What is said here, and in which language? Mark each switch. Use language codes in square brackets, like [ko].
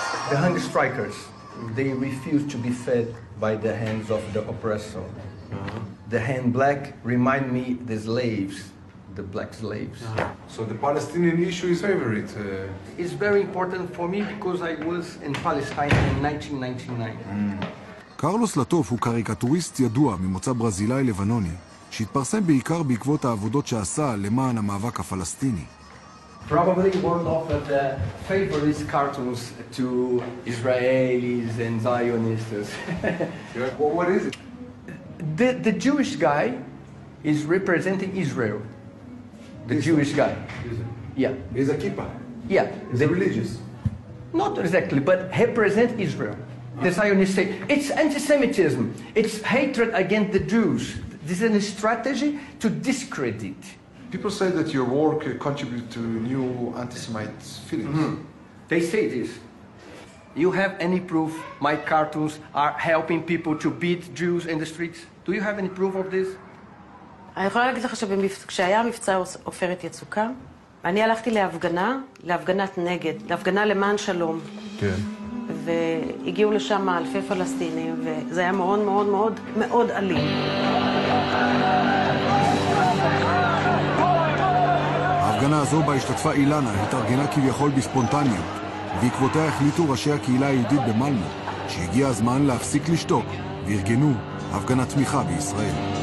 [en] The hunger strikers, they refuse to be fed by the hands of the oppressor. The hand black remind me the slaves, the black slaves. Uh-huh. So the Palestinian issue is favorite? It's very important for me because I was in Palestine in 1999. [he] קרלוס לטוף הוא קריקטוריסט ידוע ממוצא ברזילאי לבנוני, שהתפרסם בעיקר בעקבות העבודות שעשה למען המאבק הפלסטיני. [en] Probably one of the favorite cartoons to Israelis and Zionists. Yeah. Well, what is it? The Jewish guy is representing Israel. The Jewish guy. Yeah. He's a kippah. Yeah. He's the, a religious. Not exactly, but represent Israel. The Zionists say, it's anti-Semitism. It's hatred against the Jews. This is a strategy to discredit. People say that your work contributes to new anti-Semite feelings. Mm-hmm. They say this. You have any proof my cartoons are helping people to beat Jews in the streets? Do you have any proof of this? [he] אני יכולה להגיד לך שכשהיה מבצע עופרת יצוקה, אני הלכתי להפגנה, להפגנת נגד, להפגנה למען שלום. כן. והגיעו לשם אלפי פלסטינים, וזה היה מאוד מאוד מאוד מאוד אלים. ההפגנה הזו בה השתתפה אילנה, התארגנה כביכול בספונטניות, ועקבותיה החליטו ראשי הקהילה היהודית במלמו, שהגיע הזמן להפסיק לשתוק, וארגנו הפגנת תמיכה בישראל.